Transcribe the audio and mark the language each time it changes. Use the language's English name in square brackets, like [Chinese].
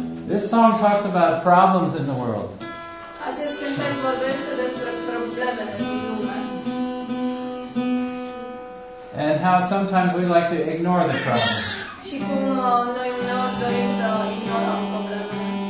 [English] This song talks about problems in the world. [Romanian] Acest cântec vorbește despre problemele din lume. [English] And how sometimes we like to ignore the problem. [Romanian] Și cum noi uneori dorim să ignorăm problemele.